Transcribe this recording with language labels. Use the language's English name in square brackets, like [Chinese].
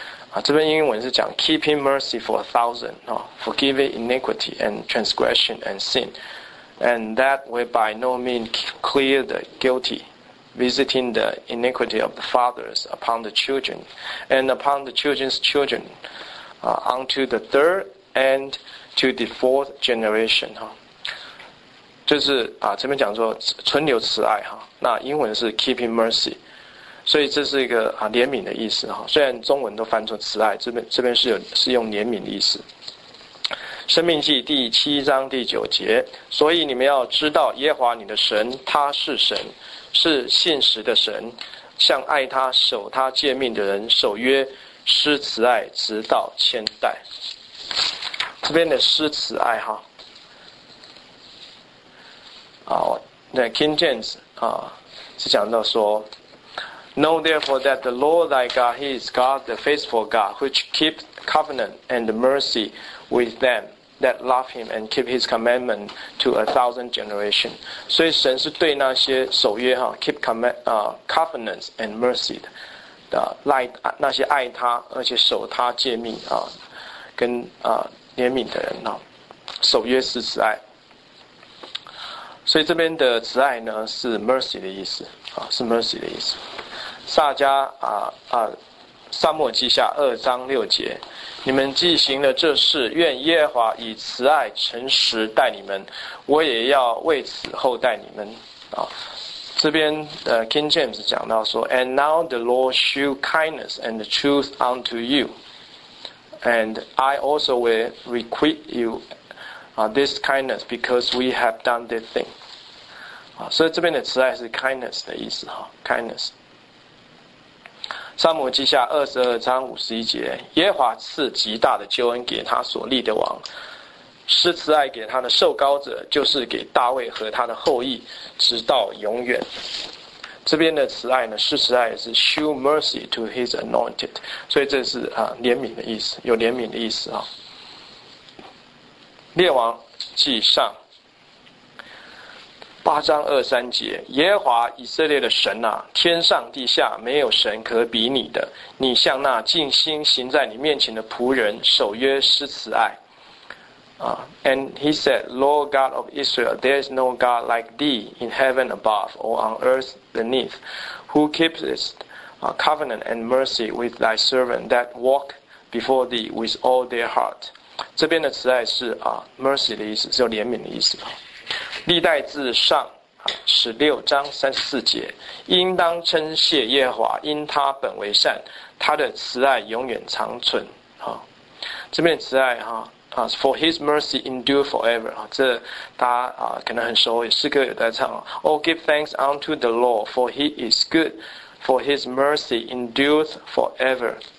[Chinese] 啊，这边英文是讲 [English] keeping mercy for a thousand, forgiving iniquity and transgression and sin, and that will by no means clear the guilty, visiting the iniquity of the fathers upon the children, and upon the children's children, unto the third,and to the fourth generation [Chinese] 哈，就是啊，这边讲说存留慈爱哈，那英文是 [English] keeping mercy， [Chinese] 所以这是一个啊怜悯的意思哈。虽然中文都翻成慈爱，这边是用怜悯的意思。生命记7:9，所以你们要知道耶和华你的神他是神，是信实的神，向爱他守他诫命的人守约，施慈爱直到千代。这边的诗词爱哈，啊，那 King James 啊，是讲到说 [English] ，Know therefore that the Lord thy God he is God the faithful God which keep covenant and mercy with them that love him and keep his commandment to a thousand generation。 [Chinese] 所以神是对那些守约哈 ， [English] keep covenant and mercy [Chinese] 的那些爱他而且守他诫命啊。跟怜悯的人守约施慈爱，所以这边的慈爱呢是 mercy 的意思，是 mercy 的意思。撒迦撒母耳记下2:6，你们既行了这事，愿耶和华以慈爱诚实待你们，我也要为此厚待你们。这边King James 讲到说 [English] And now the Lord show kindness and truth unto you, and I also will requite you this kindness because we have done this thing. [Chinese] 所以这边的慈爱是 kindness 的意思 kindness。撒母耳记下22:51，耶和华赐极大的救恩给他所立的王，施慈爱给他的受膏者，就是给大卫和他的后裔，直到永远。这边的慈爱呢，施慈爱是 [English] show mercy to his anointed， [Chinese] 所以这是怜悯的意思，有怜悯的意思。列王记上8:23，耶和华以色列的神啊，天上地下没有神可比你的，你向那尽心行在你面前的仆人守约施慈爱。 [English] And he said, Lord God of Israel, there is no God like thee in heaven above or on earth beneath, who keeps covenant and mercy with thy servant that walk before thee with all their heart. [Chinese] 这边的慈爱是mercy 的意思，是有怜悯的意思。历代志上16:34，应当称谢耶和华，因他本为善，他的慈爱永远长存。这边的慈爱 [English] For his mercy endure forever， [Chinese] 这大家可能很熟，诗歌有在唱 [English] All give thanks unto the Lord for he is good, for his mercy endures forever。